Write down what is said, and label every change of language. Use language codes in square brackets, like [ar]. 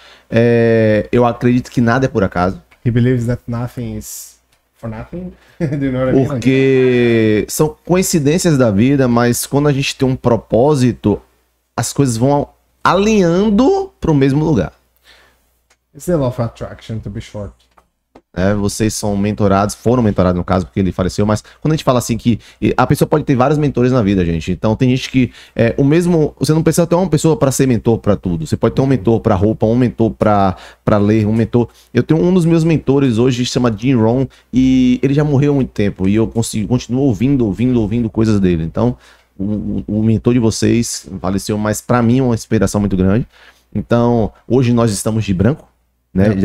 [pt] É, eu acredito que nada é por acaso. [en] He believes that nothing is for nothing. Do you know what I mean? [pt] Porque são coincidências da vida, mas quando a gente tem um propósito, as coisas vão alinhando para o mesmo lugar. [en] It's the law of attraction, to be short. [pt] É, vocês foram mentorados no caso, porque ele faleceu, mas quando a gente fala assim que a pessoa pode ter vários mentores na vida, gente, então tem gente que é o mesmo, você não precisa ter uma pessoa para ser mentor para tudo, você pode ter um mentor para roupa, um mentor para ler, um mentor, eu tenho um dos meus mentores hoje, chama Jim Rohn, e ele já morreu há muito tempo, e eu continuo ouvindo coisas dele, então o mentor de vocês faleceu, mas para mim é uma inspiração muito grande, então hoje nós estamos de branco, né?